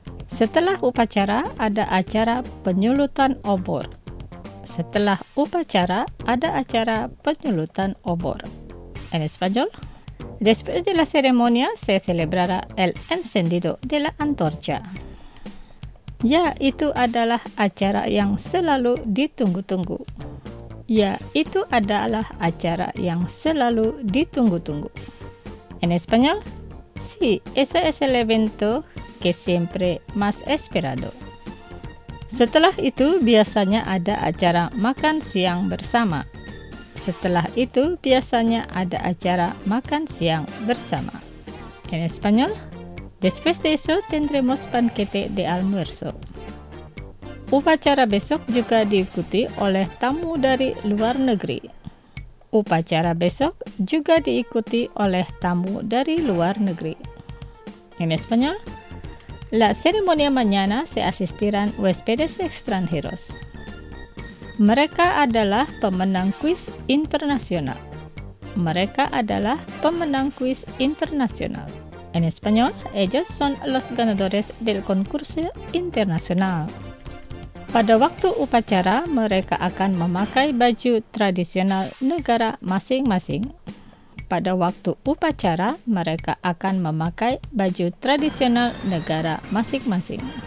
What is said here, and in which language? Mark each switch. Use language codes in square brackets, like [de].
[id] Setelah upacara, ada acara penyulutan obor. Setelah upacara, ada acara penyulutan obor. [es] En español, después de la ceremonia, se celebrará el encendido de la antorcha. [id] Ya, itu adalah acara yang selalu ditunggu-tunggu. Ya, itu adalah acara yang selalu ditunggu-tunggu. [es] En español, sí, eso es el evento que siempre más esperado. [id] Setelah itu, biasanya ada acara makan siang bersama. Setelah itu, biasanya ada acara makan siang bersama. [es] En español, Después de eso, tendremos banquete de almuerzo. [id] Upacara besok juga diikuti oleh tamu dari luar negeri. Upacara besok juga diikuti oleh tamu dari luar negeri. [es] En español, la ceremonia mañana se asistirán huéspedes extranjeros. [id] Mereka adalah pemenang kuis internasional. Mereka adalah pemenang kuis internasional. [es] En español, ellos son los ganadores del concurso internacional. [id] Pada waktu upacara, mereka akan memakai baju tradisional negara masing-masing. Pada waktu upacara, mereka akan memakai baju tradisional negara masing-masing.